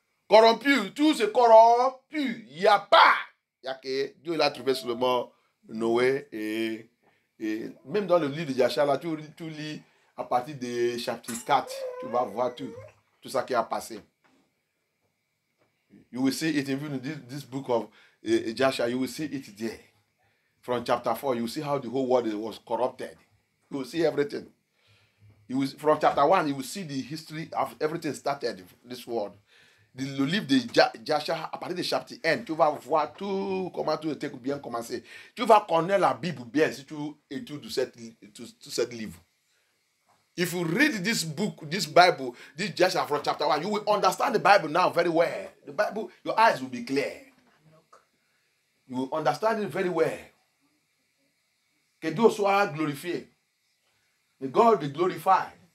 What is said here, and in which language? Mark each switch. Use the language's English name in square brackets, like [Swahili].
[French] Corrompu, tout se corrompu, il n'y a pas. Il y a que Dieu l'a trouvé seulement Noé et même dans le livre de Jasia, là, tu lis, à partir de chapitre 4, tu vas voir tout ça qui a passé. [English] You will see it in this book of Joshua. You will see it there. From chapter 4, you will see how the whole world was corrupted. You will see everything. From chapter 1, you will see the history of everything started this world. [French] Le livre de Joshua, à partir de chapitre 1, tu vas voir tout, comment tout était bien commencé. Tu vas connaître la Bible bien si tu étudies tout ce livre. [English] If you read this book, this Bible, this Joshua from chapter 1, you will understand the Bible now very well. The Bible, your eyes will be clear. You will understand it very well. [French] Que Dieu soit glorifié. [English] May God be glorified.